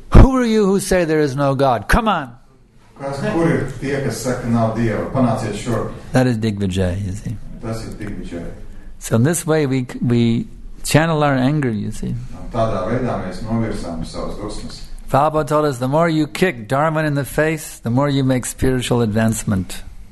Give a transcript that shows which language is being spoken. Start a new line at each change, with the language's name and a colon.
English: Who are you who say there is no God? Come on.
Latvian: Kas, kur ir tie, kas saka, nav Dieva? Panāciet šurp.
English: That is Digvijay, you see.
Latvian: Tas ir Digvijay.
English: So in this way we channel our anger, you see.
Latvian: Tādā veidā mēs novirzām savas dusmas.
English: Prabhupada told us, the more you kick Dharma in the face, the more you make spiritual advancement.